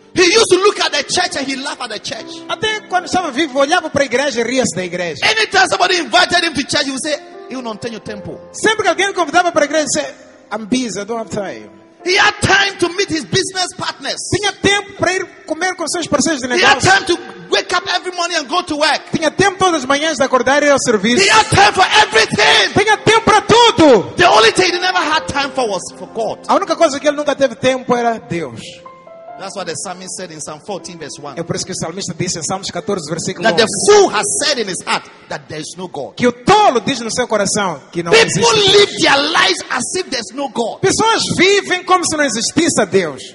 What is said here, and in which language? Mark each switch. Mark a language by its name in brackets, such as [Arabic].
[English] He used to look at the church and he laughed at the church. [Portuguese] Até quando estava vivo, olhava para a igreja e ria-se da igreja. [English] Anytime somebody invited him to church, he would say, [Portuguese] "Eu não tenho tempo." Sempre que alguém convidava para a igreja, ele dizia, [English] "I'm busy, I don't have time." He had time to meet his business partners. [Portuguese] Tinha tempo para ir comer com seus parceiros de negócio. [English] He had time to wake up every morning and go to work. [Portuguese] Tinha tempo todas as manhãs de acordar e ir ao serviço. [English] He had time for everything. [Portuguese] Tinha tempo para tudo. [English] The only thing he never had time for was for God. [Portuguese] A única coisa que ele nunca teve tempo era Deus. [English] That's what the psalmist said in Psalm 14, verse 1. [Portuguese] É por isso que o salmista disse em Salmos 14, versículo 1. [English] That the fool has said in his heart that there is no God. [Portuguese] Que o tolo diz no seu coração que não existe. [English] People live their lives as if there's no God. [Portuguese] Pessoas vivem como se não existisse a Deus.